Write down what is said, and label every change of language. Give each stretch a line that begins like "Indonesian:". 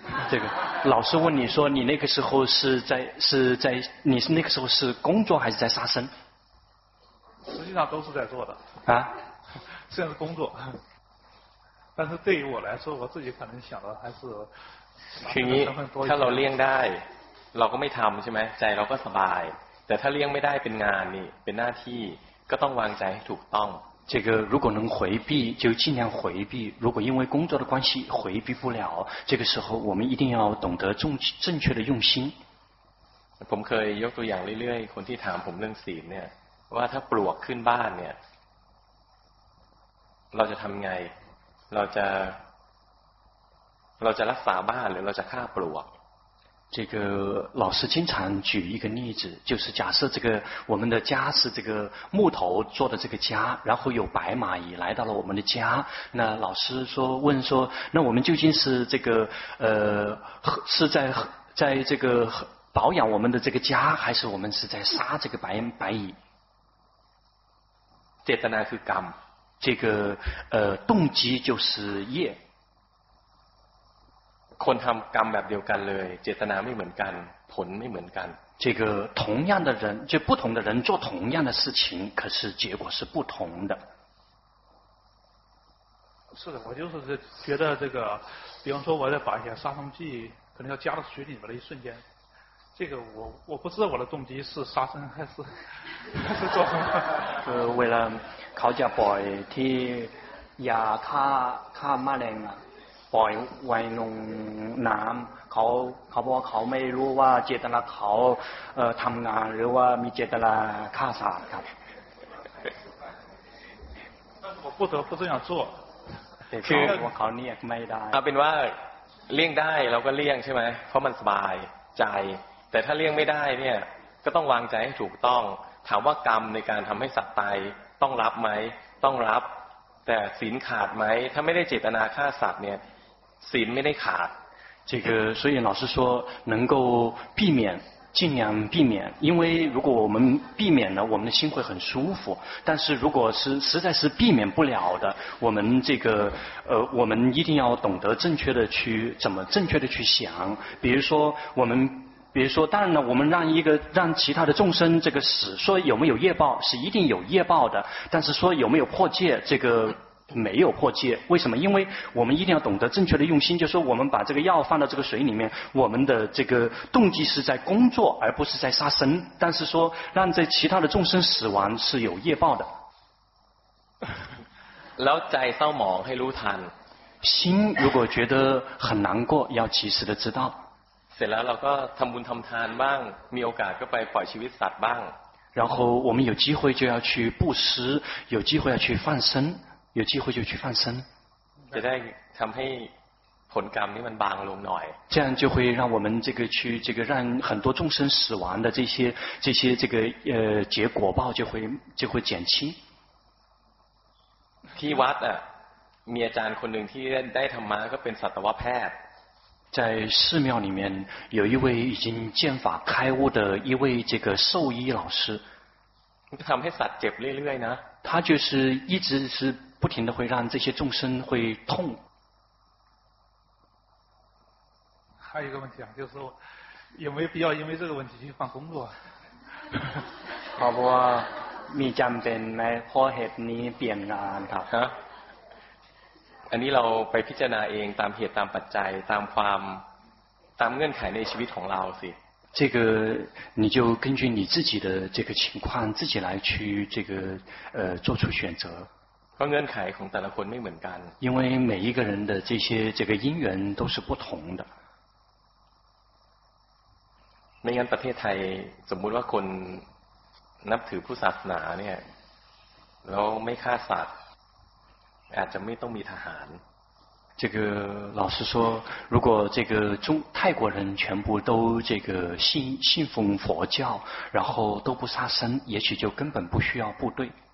Chinese: 这个老师问你说你那个时候是在你是那个时候是工作还是在杀生实际上都是在做的啊虽然是工作但是对于我来说我自己可能想的还是
Thai: คือนี้ถ้าเราเลี่ยงได้เราก็ไม่ทำใช่ไหมใจเราก็สบายแต่ถ้าเลี่ยงไม่ได้เป็นงานนี่เป็นหน้าที่ก็ต้องวางใจให้ถูกต้อง
Chinese: 这个如果能回避就尽量回避如果因为工作的关系回避不了这个时候我们一定要懂得正确的用心
Thai: ผมเคยยกตัวอย่างเรื่อยๆคนที่ถามผมเรื่องศีลเนี่ยว่าถ้าปลวกขึ้นบ้านเนี่ยเราจะทำไงเราจะรักษาบ้านหรือเราจะฆ่าปลวก
Chinese: 这个老师经常举一个例子就是假设这个我们的家是这个木头做的这个家然后有白蚂蚁来到了我们的家那老师说问说那我们究竟是这个是在这个保养我们的这个家还是我们是在杀这个白蚁
Thai: เจตนาคือกรรม
Chinese: 这个动机就是业
Thai: คนทำกรรมแบบเดียวกันเลยเจตนาไม่เหมือนกันผลไม่เหมือนกัน
Chinese: 这个同样的人就不同的人做同样的事情可是结果是不同的是的我就是觉得这个比方说我在把一些杀虫剂可能要加到水里面的一瞬间这个我不知道我的动机是杀生还是做什么为了
Thai: เขาจะปล่อยที่ยาฆ่าแมลงอ่ะปล่อยไว้ลงน้ำเขาบอกว่าเขาไม่รู้ว่าเจตนาเขาทำงานหรือว่ามีเจตนาฆ่าสัตว์ครับ
Chinese: 我不得不这样做
Thai: คือว่าเขาเลี่ยงไม่ได้ เอาเป็นว่าเลี่ยงได้เราก็เลี่ยงใช่ไหมเพราะมันสบายใจแต่ถ้าเลี่ยงไม่ได้เนี่ยก็ต้องวางใจให้ถูกต้องถามว่ากรรมในการทำให้สัตว์ตายต้องรับไหมต้องรับแต่ศีลขาดไหมถ้าไม่ได้เจตนาฆ่าสัตว์เนี่ยศีลไม่ได้ขาด
Chinese: 这个所以老师说能够避免尽量避免因为如果我们避免了我们的心会很舒服但是如果是实在是避免不了的我们这个我们一定要懂得正确的去怎么正确的去想比如说当然了我们让其他的众生这个死说有没有业报是一定有业报的但是说有没有破戒这个没有破戒为什么因为我们一定要懂得正确的用心就是说我们把这个药放到这个水里面我们的这个动机是在工作而不是在杀生但是说让这其他的众生死亡是有业报的然后再烧猛黑炉坛心如果觉得很难过要及时的知道
Thai: สร็จแล้วเราก็ทำบุญทำทานบ้างมีโอกาสก็ไปปล่อยชีวิตสัตว์บ้าง
Chinese: 然后我们有机会就要去布施有机会要去放生有机会就去放生
Thai: จะได้ทำให้ผลกรรมนี้มันบางลงหน่อย
Chinese: 这样就会让我们这个去这个让很多众生死亡的这些这个结果报就会减轻
Thai: ที่วัดอ่ะมีอาจารย์คนหนึ่งที่ได้ธรรมะก็เป็นสัตวแพทย์
Chinese: 在寺庙里面有一位已经见法开悟的一位这个兽医老师
Thai: ทำให้สัตว์เจ็บเรื่อยๆนะ
Chinese: 他就是一直是不停的会让这些众生会痛还有一个问题啊就是有没有必要因为这个问题去换工作好不好
Thai: มีจำเป็นไหมเพราะเหตุนี้เปลี่ยนงานครับ ฮะอันนี้เราไปพิจารณาเองตามเหตุตามปัจจัยตามความตามเงื่อนไขในชีวิตของเราสิ
Chinese: 这个你就根据你自己的这个情况自己来去这个做出选择
Thai: เพราะเงื่อนไขของแต่ละคนไม่เหมือนกัน
Chinese: 因为每一个人的这个因缘都是不同的
Thai: ไม่งั้นประเทศไทยสมมุติว่าคนนับถือพุทธศาสนาเนี่ยแล้วไม่ฆ่าสัตว์อาจจะไม่ต้องมีทหาร
Chinese: 这个老师说如果这个中泰国人全部都这个信奉佛教然后都不杀生也许就根本不需要部队